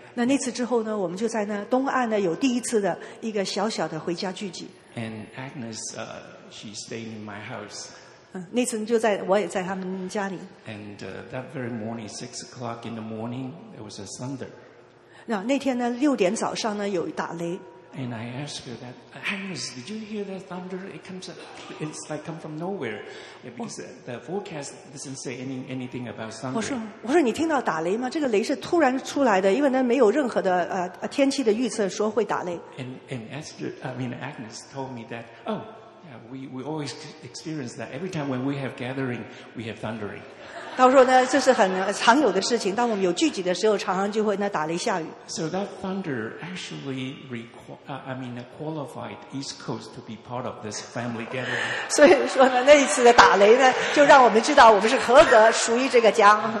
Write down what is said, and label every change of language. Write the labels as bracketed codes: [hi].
[zh] 那那次之后呢，我们就在那东岸呢有第一次的一个小小的回家聚集。 [en] And Agnes, she stayed in my house. [zh] 那次就在我也在他们家里。 [en] And that very morning, 6 o'clock in the morning, there was a thunder. [zh] 那天呢，六点早上呢有打雷。 [en] And I asked her that, Agnes, did you hear that thunder? It comes up, it's like come from nowhere. Yeah, because the forecast doesn't say anything about thunder. [zh] 我说你听到打雷吗？这个雷是突然出来的，因为呢没有任何的天气的预测说会打雷。 [en] Agnes told me that, oh, yeah, we always experience that. Every time when we have gathering, we have thundering. [zh] 到时候呢这是很常有的事情，当我们有聚集的时候常常就会那打雷下雨。 [en] So that thunder actually qualified East Coast to be part of this family gathering. [zh] 所以说呢那一次的打雷呢就让我们知道我们是合格属于这个家。